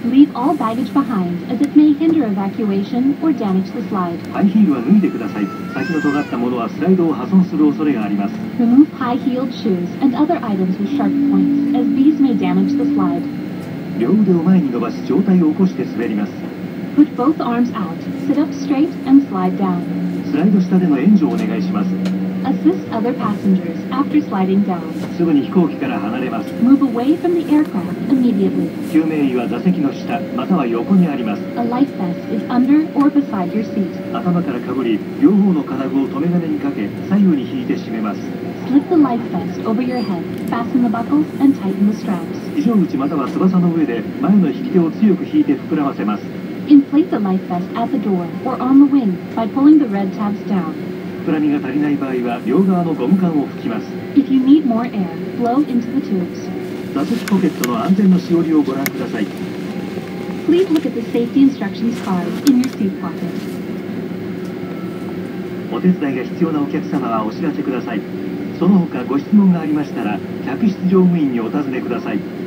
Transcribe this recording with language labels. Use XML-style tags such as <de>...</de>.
<en>Leave all baggage behind as it may hinder evacuation or damage the slide。</en> <ja>ハイヒールは脱いでください。先の尖ったものはスライドを破損する恐れがあります。</ja> <en>Remove high-heeled shoes and other items with sharp points as these may damage the slide。</en> <ja>両腕を前に伸ばし上体を起こして滑ります。</ja> <en>Put both arms out, sit up straight and slide down。</en> <ja>スライド下での援助をお願いします。</ja> <en>Assist other passengers after sliding down。</en> <ja>すぐに飛行機から離れます。</ja> <en>Move away from the aircraft immediately。</en> <ja>救命衣は座席の下または横にあります。</ja> <en>A life vest is under or beside your seat。</en> <ja>頭からかぶり、両方の金具を留め金にかけ左右に引いて締めます。</ja> <en>Slip the life vest over your head, fasten the buckles and tighten the straps。</en> <ja>非常口または翼の上で前の引き手を強く引いて膨らませます。</ja> <en>Inflate the life vest at the door or on the wing by pulling the red tabs down。</en> <ja>膨らみが足りない場合は両側のゴム管を吹きます。</ja> <en>If you need more air, blow into the tubes。</en> <ja>座席ポケットの安全のしおりをご覧ください。</ja> <en>Please look at the safety instructions card in your seat pocket。</en> <ja>お手伝いが必要なお客様はお知らせください。その他ご質問がありましたら客室乗務員にお尋ねください。</ja>